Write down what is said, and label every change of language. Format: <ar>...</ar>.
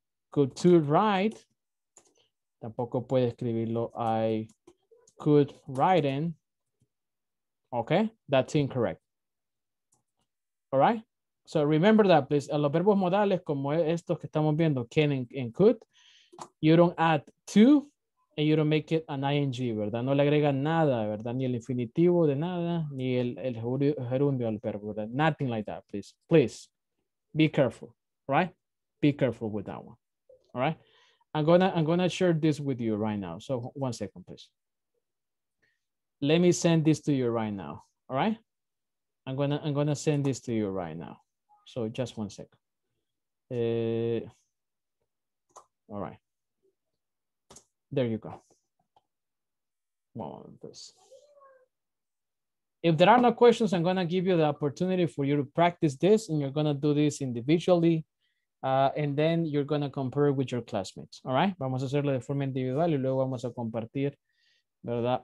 <en>Could to write,</en> <es>tampoco puede escribirlo,</es> <en>I could write in, okay, that's incorrect, all right, so remember that, please,</en> <es>los verbos modales como estos que estamos viendo,</es> <en>can and could, you don't add to, and you don't make it an ing,</en> <es>¿verdad? No le agregan nada, ¿verdad? Ni el infinitivo de nada, ni el gerundio al verbo, ¿verdad?</es> <en>Nothing like that, please, please, be careful, right, be careful with that one. All right, I'm gonna share this with you right now. So one second, please. Let me send this to you right now. All right, I'm gonna send this to you right now. So just one second. All right, there you go. One moment, please. If there are no questions, I'm gonna give you the opportunity for you to practice this, and you're gonna do this individually. And then you're going to compare with your classmates. All right.</en> <es>Vamos a hacerlo de forma individual y luego vamos a compartir, ¿verdad?</es>